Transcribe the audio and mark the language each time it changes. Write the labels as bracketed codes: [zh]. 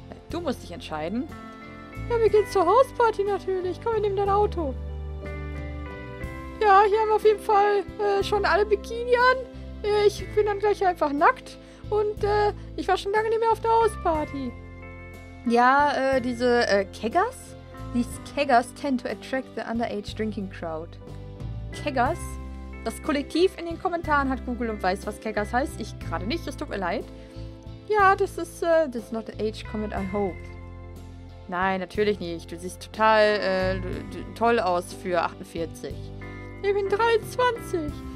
[de] Du musst dich entscheiden. Ja, wir gehen zur Hausparty natürlich. Komm, wir nehmen dein Auto. Ja, hier haben wir auf jeden Fall schon alle Bikini an. Ich bin dann gleich einfach nackt. Und ich war schon lange nicht mehr auf der Hausparty. Ja, diese Keggers? [en] These Keggers tend to attract the underage drinking crowd. [de] Keggers? Das Kollektiv in den Kommentaren hat Google und weiß, was Keggers heißt. Ich gerade nicht, das tut mir leid. Ja, das ist, [en] this is not the age comment I hope. [de] Nein, natürlich nicht. Du siehst total toll aus für 48. Ich bin 23.